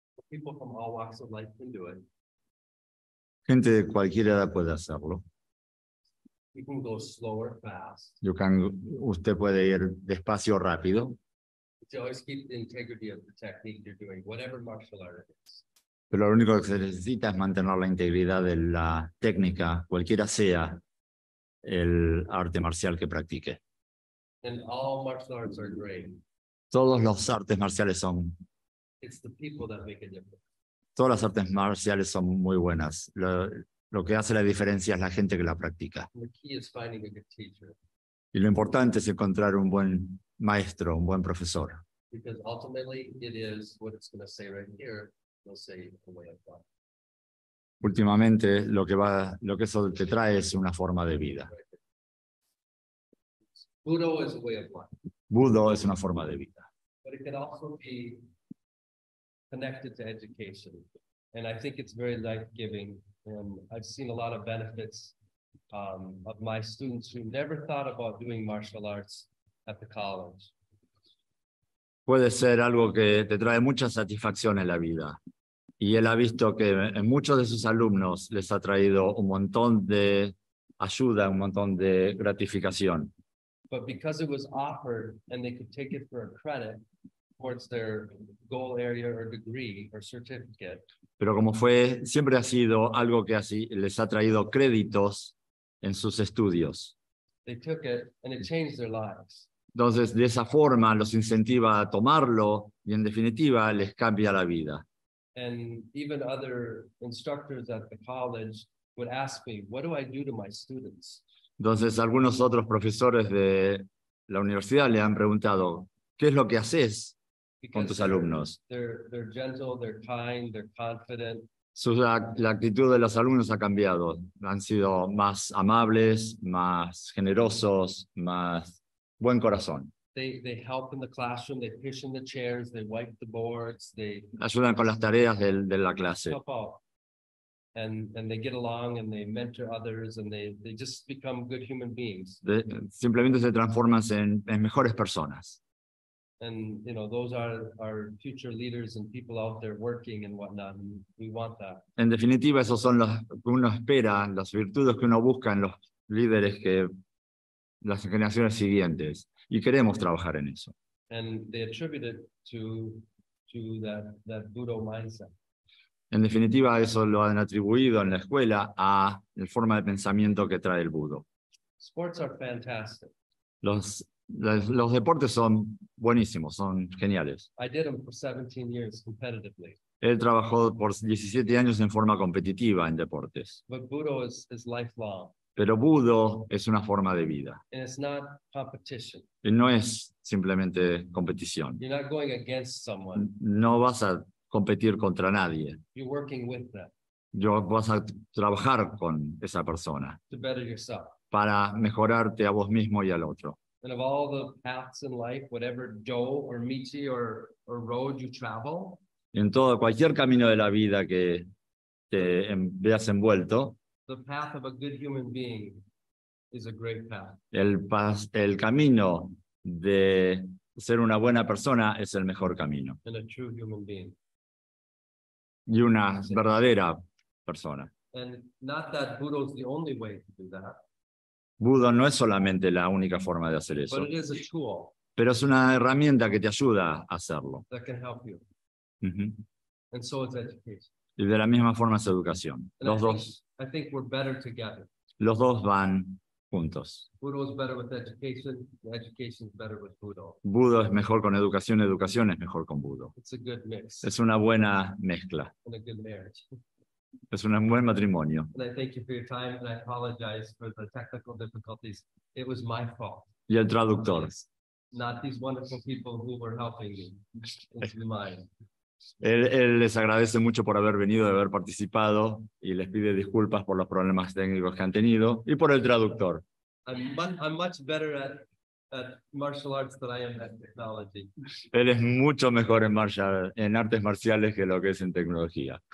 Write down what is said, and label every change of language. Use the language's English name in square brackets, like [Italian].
[English] People from all walks of life can do it. [Spanish] Gente de cualquier edad puede hacerlo. [English] You can go slower, fast. You can, [Spanish] usted puede ir despacio, rápido. [English] But you always keep the integrity of the technique you're doing, whatever martial art it is. [Spanish] Pero lo único que se necesita es mantener la integridad de la técnica, cualquiera sea el arte marcial que practique. [English] And all martial arts are great. [Spanish] Todos los artes marciales son. [English] It's the people that make a difference. [Spanish] Todas las artes marciales son muy buenas. Lo que hace la diferencia es la gente que la practica. [English] The key is finding a good teacher. [Spanish] Y lo importante es encontrar un buen maestro, un buen profesor. [English] Because ultimately it is what it's going to say right here. They'll say a way of life. [Spanish] Últimamente lo que eso te trae es una forma de vida. [English] Budo is a way of life. [Spanish] Budo es una forma de vida. [English] But it can also be connected to education, and I think it's very life-giving. And I've seen a lot of benefits of my students who never thought about doing martial arts at the college. [Spanish] Puede ser algo que te trae mucha satisfacción en la vida. Y él ha visto que en muchos de sus alumnos les ha traído un montón de ayuda, un montón de gratificación. [English] But because it was offered and they could take it for a credit towards their goal area or degree or certificate. [Spanish] Pero como fue, siempre ha sido algo que así les ha traído créditos en sus estudios. [English] They took it and it changed their lives. [Spanish] Entonces, de esa forma, los incentiva a tomarlo y, en definitiva, les cambia la vida. [English] And even other instructors at the college would ask me, what do I do to my students? [Spanish] Entonces, algunos otros profesores de la universidad le han preguntado, ¿qué es lo que haces con tus alumnos? [English] They're gentle, they're kind, they're confident. [Spanish] La actitud de los alumnos ha cambiado. Han sido más amables, más generosos, más buen corazón. [English] They help in the classroom, they cushion the chairs, they wipe the boards, they [Spanish] ayudan con las tareas de la clase. [English] And they get along and they mentor others and they just become good human beings. [Spanish] Simplemente se transforman en mejores personas. [English] And you know, those are our future leaders and people out there working and whatnot. We want that. [Spanish] En definitiva, esos son los que uno espera, las virtudes que uno busca en los líderes que las generaciones siguientes, y queremos trabajar en eso. [English] And they attribute it to that Budo mindset. [Spanish] En definitiva, eso lo han atribuido en la escuela a la forma de pensamiento que trae el Budo. [English] Sports are fantastic. [Spanish] Los deportes son buenísimos, son geniales. [English] I did them for 17 years competitively. [Spanish] Él trabajó por 17 años en forma competitiva en deportes. [English] But Budo is lifelong. [Spanish] Pero Budo es una forma de vida. [English] And it's not competition. [Spanish] Y no es simplemente competición. [English] You're not going against someone. [Spanish] No vas a competir contra nadie. [English] You're working with them. [Spanish] Yo vas a trabajar con esa persona. [English] To better yourself. [Spanish] Para mejorarte a vos mismo y al otro. [English] And of all the paths in life, whatever do or michi or road you travel. [Spanish] En todo, cualquier camino de la vida que te veas envuelto. [English] The path of a good human being is a great path. [Spanish] El camino de ser una buena persona es el mejor camino. [English] And a true human being. [Spanish] Y una verdadera persona. [English] And not that Budo is the only way to do that. [Spanish] Budo no es solamente la única forma de hacer eso. [English] But it is a tool. [Spanish] Pero es una herramienta que te ayuda a hacerlo. [English] That can help you. Uh-huh. And so is education. [Spanish] Y de la misma forma es educación. [English] And I think we're better together. [Spanish] Los dos van juntos. [English] Budo is better with education. Education is better with Budo. [Spanish] Budo es mejor con educación. Educación es mejor con Budo. [English] It's a good mix. [Spanish] Es una buena mezcla. [English] And a good marriage. [Spanish] Es un buen matrimonio. [English] And I thank you for your time and I apologize for the technical difficulties. It was my fault. [Spanish] Y el traductor. [English] Not these wonderful people who were helping me. It's mine. [Spanish] Él les agradece mucho por haber venido, de haber participado y les pide disculpas por los problemas técnicos que han tenido y por el traductor. [English] I'm much better at martial arts than I am at technology. [Spanish] Él es mucho mejor en artes marciales que lo que es en tecnología.